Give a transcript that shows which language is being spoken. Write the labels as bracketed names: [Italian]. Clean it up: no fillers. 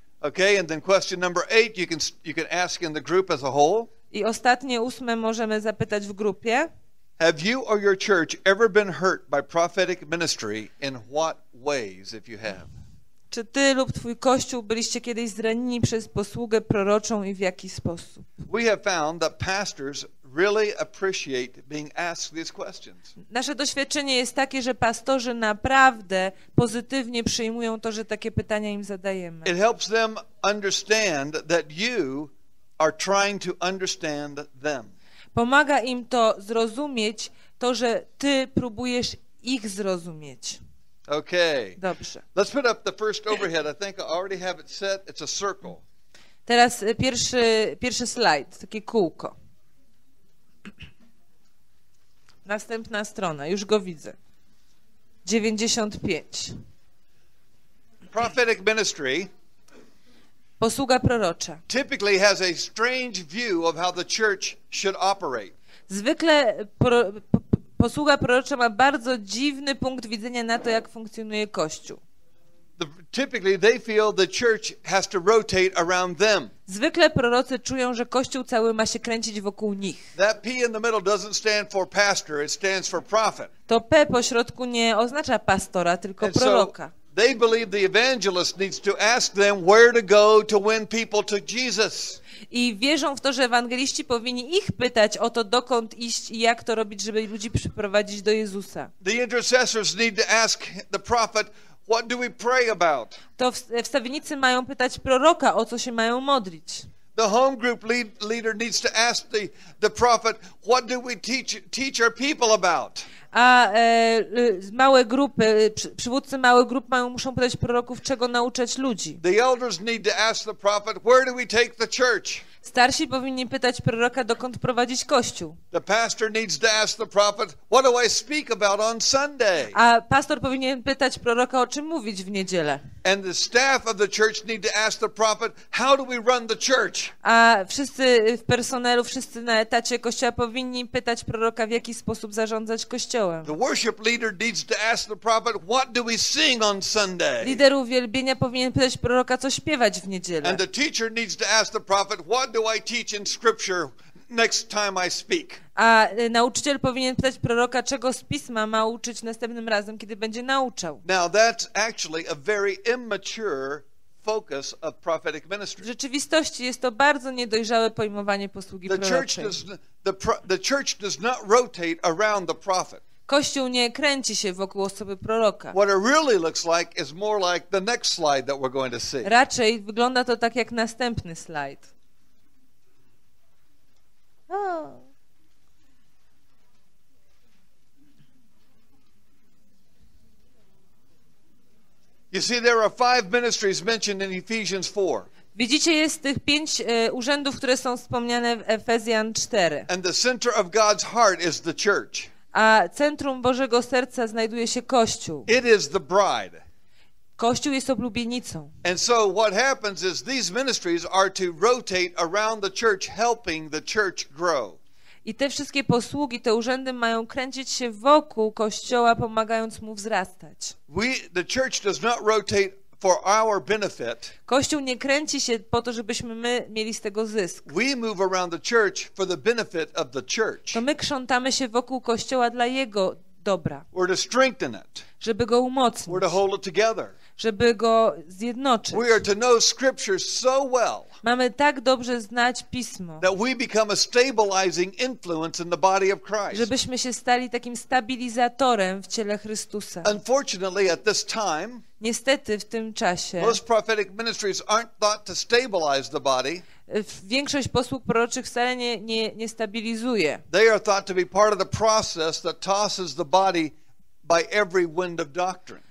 [English] Okay, and then question number eight, you can ask in the group as a whole. [Polish] I ostatnie ósme możemy zapytać w grupie. [English] Have you or your church ever been hurt by prophetic ministry? In what ways, if you have? [Polish] Czy ty lub twój kościół byliście kiedyś zranieni przez posługę proroczą i w jaki sposób? [English] We have found that pastors really appreciate being asked these questions. [Polish] Nasze doświadczenie jest takie, że pastorzy naprawdę pozytywnie przyjmują to, że takie pytania im zadajemy. [English] It helps them understand that you are trying to understand them. [Polish] Pomaga im to zrozumieć, to, że ty próbujesz ich zrozumieć. [English] Okay. [Polish] Dobrze. [English] Let's put up the first overhead. I think I already have it set. It's a circle. [Polish] Teraz pierwszy slajd, takie kółko. Następna strona, już go widzę. 95. [English] Prophetic ministry. [Polish] Posługa prorocza. [English] Typically has a strange view of how the church should operate. [Polish] Zwykle posługa prorocza ma bardzo dziwny punkt widzenia na to, jak funkcjonuje kościół. [English] Typically they feel the church has to rotate around them. [Polish] Zwykle prorocy czują, że kościół cały ma się kręcić wokół nich. [English] That P in the middle doesn't stand for pastor, it stands for prophet. [Polish] To P po środku nie oznacza pastora, tylko proroka. [English] They believe the evangelist needs to ask them where to go to win people to Jesus. [Polish] I wierzą w to, że ewangeliści powinni ich pytać o to, dokąd iść i jak to robić, żeby ludzi przyprowadzić do Jezusa. [English] The intercessors need to ask the prophet, what do we pray about? [Polish] To wstawiennicy mają pytać proroka, o co się mają modlić. [English] The home group leader needs to ask the prophet, what do we teach our people about? [Polish] A małe grupy, przywódcy małych grup muszą pytać proroków, czego nauczać ludzi. [English] The elders need to ask the prophet, where do we take the church? [Polish] Starsi powinni pytać proroka, dokąd prowadzić kościół. [English] The pastor needs to ask the prophet, what do I speak about on Sunday? [Polish] A pastor powinien pytać proroka, o czym mówić w niedzielę. [English] And the staff of the church need to ask the prophet, how do we run the church? [Polish] A wszyscy w personelu, wszyscy na etacie kościoła powinni pytać proroka, w jaki sposób zarządzać kościołem. [English] The worship leader needs to ask the prophet, what do we sing on Sunday? [Polish] Lider uwielbienia powinien pytać proroka, co śpiewać w niedzielę. [English] And the teacher needs to ask the prophet, what do I teach in scripture next time I speak? [Polish] A nauczyciel powinien pytać proroka, czego z pisma ma uczyć następnym razem, kiedy będzie nauczał. [English] Now that's actually a very immature focus of prophetic ministry. [Polish] W rzeczywistości jest to bardzo niedojrzałe pojmowanie posługi proroczej. [English] The church does not rotate around the prophet. [Polish] Kościół nie kręci się wokół osoby proroka. [English] What it really looks like is more like the next slide that we're going to see. [Polish] Raczej wygląda to tak jak następny slajd. [English] You see, there are five ministries mentioned in Ephesians 4. [Polish] Widzicie, jest tych pięć urzędów, które są wspomniane w Efezjan 4. [English] And the center of God's heart is the church. [Polish] A centrum Bożego serca znajduje się Kościół. [English] It is the bride. [Polish] Kościół jest oblubienicą. [English] And so what happens is these ministries are to rotate around the church, helping the church grow. [Polish] I te wszystkie posługi, te urzędy mają kręcić się wokół Kościoła, pomagając mu wzrastać. [English] The church does not rotate for our benefit. [Polish] Kościół nie kręci się po to, żebyśmy my mieli z tego zysk. [English] We move around the church for the benefit of the church. [Polish] To my krzątamy się wokół Kościoła dla jego dobra. [English] We're to strengthen it. [Polish] Żeby go umocnić. [English] We're to hold it together. [Polish] Żeby go zjednoczyć. [English] We are to know scripture so well, [Polish] mamy tak dobrze znać Pismo, [English] that we become a stabilizing influence in the body of Christ. [Polish] Żebyśmy się stali takim stabilizatorem w ciele Chrystusa. [English] Unfortunately, at this time, [Polish] niestety w tym czasie, [English] most prophetic ministries aren't thought to stabilize the body. [Polish] Większość posług proroczych wcale nie stabilizuje. [English] They are thought to be part of the process that tosses the body by every wind of doctrine.